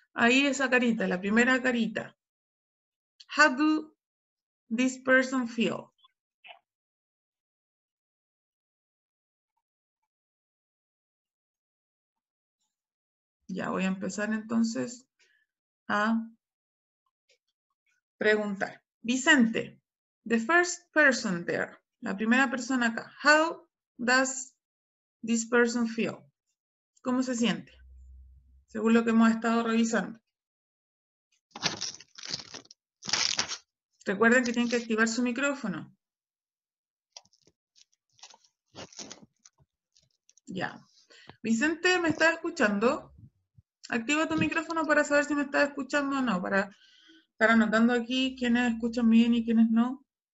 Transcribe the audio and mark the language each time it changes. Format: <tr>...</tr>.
<es>Ahí esa carita, la primera carita.</es> <en>How do this person feel?</en> <es>Ya voy a empezar entonces a preguntar.</es> <en>Vicente, the first person there,</en> <es>la primera persona acá.</es> <en>How does this person feel?</en> <es>¿Cómo se siente? Según lo que hemos estado revisando. Recuerden que tienen que activar su micrófono. Ya. Vicente, ¿me estás escuchando? Activa tu micrófono para saber si me estás escuchando o no, para estar anotando aquí quiénes escuchan bien y quiénes no.</es>